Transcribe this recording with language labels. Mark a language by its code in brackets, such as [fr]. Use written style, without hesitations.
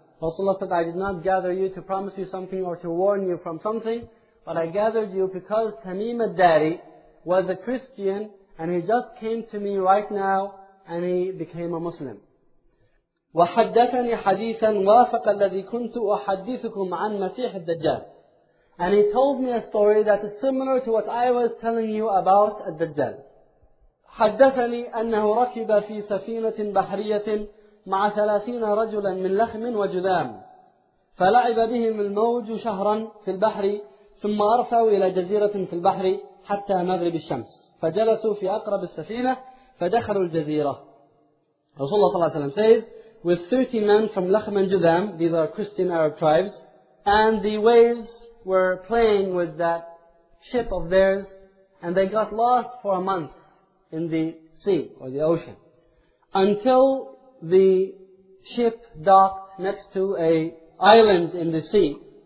[en] Rasulullah said, I did not gather you to promise you something or to warn you from something, but I gathered you because Tamim al-Dari was a Christian and he just came to me right now and he became a Muslim. [ar] وَحَدَّثَنِي حَدِيثًا وَافَقَ الَّذِي كُنْتُ أُحَدِّثُكُمْ عَنْ مَسِيحِ الدَّجَّالِ. [en] And he told me a story that is similar to what I was telling you about al-Dajjal. [ar] حَدَّثَنِي أَنَّهُ رَكِبَ فِي سَفِينَةٍ بَحْرِيَةٍ مَعَ 30 رَجُلًا مِنْ لَخْمٍ وَجُذَامٍ فَلَعِبَ بِهِمُ الْمَوْجُ شَهْرًا فِي الْبَحْرِ ثم أرسوا إلى جزيرة في البحر حتى مغرب الشمس فجلسوا في أقرب السفينة فدخلوا الجزيرة. [en] رسول الله صلى الله عليه وسلم says, with 30 men from Lakhm and Judham, these are Christian Arab tribes, and the waves were playing with that ship of theirs, and they got lost for a month in the sea or the ocean, until the ship docked next to a island in the sea.